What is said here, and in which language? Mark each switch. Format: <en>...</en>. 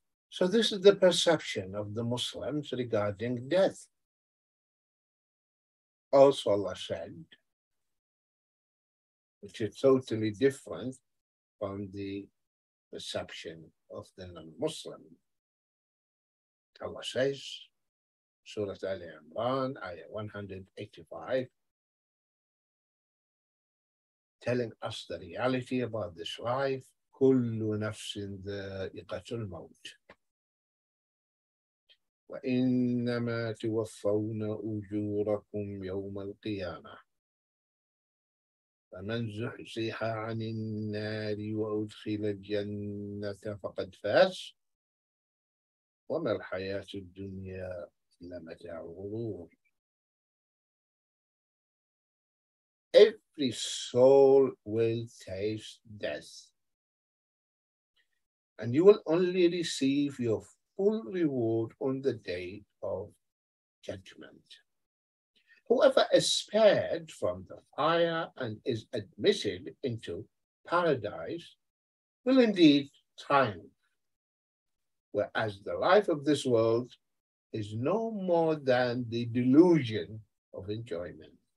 <en>So this is the perception of the Muslims regarding death. Also Allah said, which is totally different from the perception of the non-Muslim. Allah says, Surah Ali Imran, ayah 185, telling us the reality about this life,</en> <ar>كُلُّ نَفْسٍ ذَائِقَةُ الْمَوْتِ وَإِنَّمَا تُوَفَّوْنَ أُجُورَكُمْ يَوْمَ الْقِيَامَةِ فَمَنْ زُحْزِحَ عَنِ النَّارِ وَأُدْخِلَ الْجَنَّةَ فَقَدْ فَازَ وَمَا الْحَيَاةُ الدُّنْيَا إِلَّا مَتَاعُ الْغُرُورِ.</ar> <en>Every soul will taste death, and you will only receive your full reward on the day of judgment. Whoever is spared from the fire and is admitted into paradise will indeed triumph, whereas the life of this world is no more than the delusion of enjoyment.</en>